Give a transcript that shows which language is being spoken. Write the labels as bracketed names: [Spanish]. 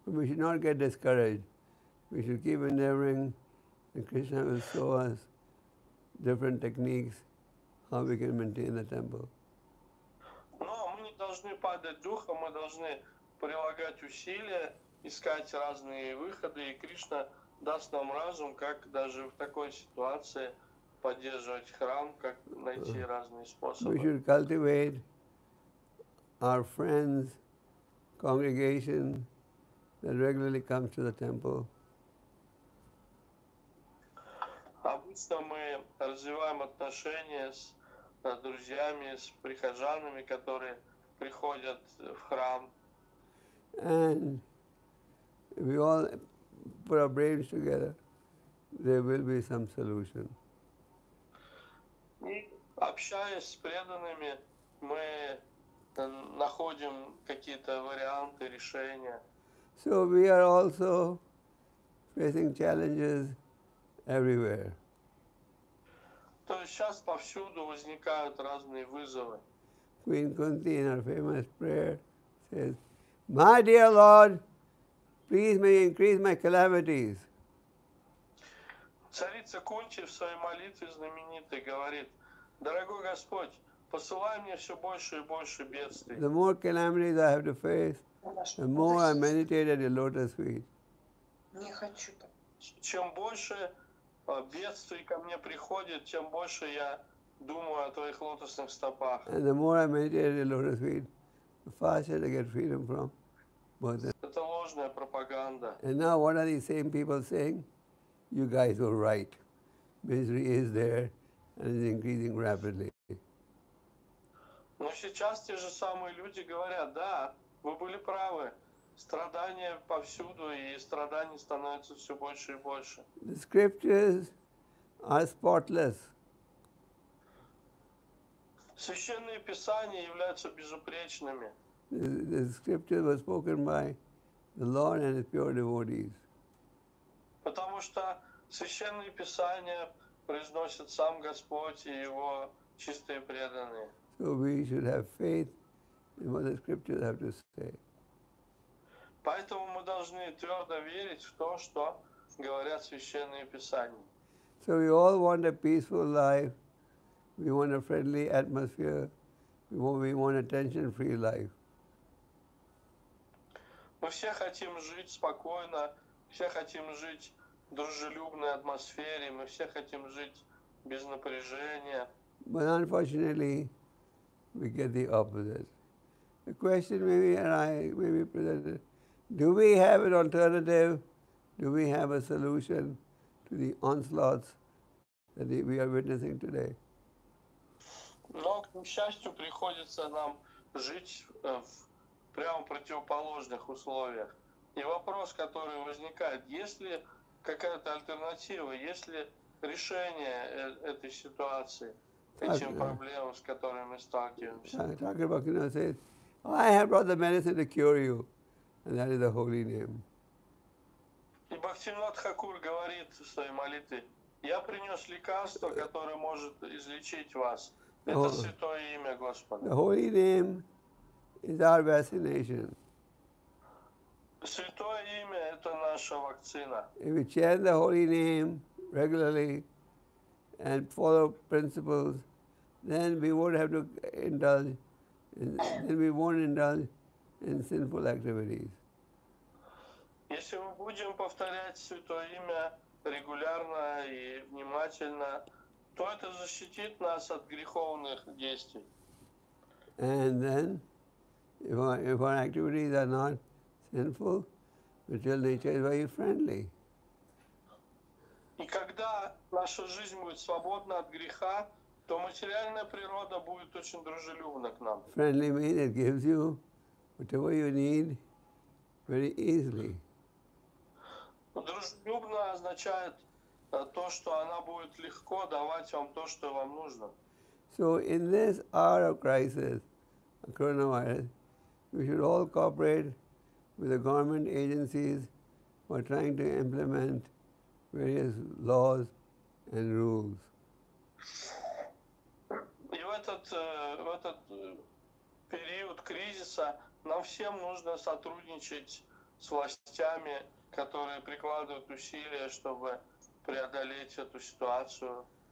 [English] We should not get discouraged. We should keep endeavoring, and Krishna will show us different techniques how we can maintain the temple. [Russian] Но мы не должны падать духом, мы должны прилагать усилия, искать разные выходы, и Кришна даст нам разум, как даже в такой ситуации поддерживать храм, как найти разные способы. [English] We should cultivate our friends, congregation that regularly comes to the temple. [Russian] Обычно мы развиваем отношения с друзьями, с прихожанами, которые приходят в храм. [English] And if we all put our brains together, there will be some solution. [Russian] И общаясь с преданными, мы находим какие-то варианты решения. [English] So we are also facing challenges everywhere. [Russian] То есть сейчас повсюду возникают разные вызовы. [English] Queen Kunti in her famous prayer says, "My dear Lord, please may increase my calamities." [Russian] Царица Кунти в своей молитве знаменитой говорит: "Дорогой Господь, посылай мне все больше и больше бедствий." [English] The more calamities I have to face, the more I meditate at the lotus feet. [Russian] Не хочу. Чем больше бедствий ко мне приходит, тем больше я думаю о твоих лотосных стопах. [English] And the more I meditate at the lotus feet, the faster I get freedom from. [Russian] Это ложная пропаганда. [English] And now what are these same people saying? You guys were right. Misery is there and is increasing rapidly. [Russian] Но сейчас те же самые люди говорят, да, вы были правы. Страдания повсюду, и страдания становятся все больше и больше. [English] The scriptures are spotless. [Russian] Священные писания являются безупречными. [English] The scripture was spoken by the Lord and His pure devotees. [Russian] Потому что священные писания произносят сам Господь и Его чистые преданные. [English] So we should have faith in what the scriptures have to say. [Russian] Поэтому мы должны твердо верить в то, что говорят священные писания. [English] So we all want a peaceful life. We want a friendly atmosphere. We want a tension-free life. [Russian] Мы все хотим жить спокойно. Все хотим жить в дружелюбной атмосфере. Мы все хотим жить без напряжения. [English] But unfortunately, we get the opposite. The question maybe presented: do we have an alternative? Do we have a solution to the onslaughts that we are witnessing today? [Russian] Но, к счастью, приходится нам жить в прямо противоположных условиях. И вопрос, который возникает: есть ли какая-то альтернатива? Есть ли решение этой ситуации? [English] Thakur Bhaktivinoda says, "I have brought the medicine to cure you, and that is the holy name." [Russian] И Бхактивинода Тхакур говорит в своей молитве: "Я принес лекарство, которое может излечить вас. Это святое имя Господа." [English] The holy name is our vaccination. [Russian] Святое имя – это наша вакцина. [English] If we chant the holy name regularly and follow principles, then we won't have to indulge. Then we won't indulge in sinful activities. [Russian] Если мы будем повторять Святое имя регулярно и внимательно, то это защитит нас от греховных действий. [English] And then, if our activities are not sinful, material nature is very friendly. [Russian] И когда наша жизнь будет свободна от греха, то материальная природа будет очень дружелюбна к нам. [English] Friendly means it gives you whatever you need very easily. [Russian] Дружелюбно означает то, что она будет легко давать вам то, что вам нужно. [English] So in this hour of crisis, coronavirus, we should all cooperate with the government agencies who are trying to implement various laws and rules. [Russian] И в этот период кризиса нам всем нужно сотрудничать с властями, которые прикладывают усилия, чтобы преодолеть эту ситуацию.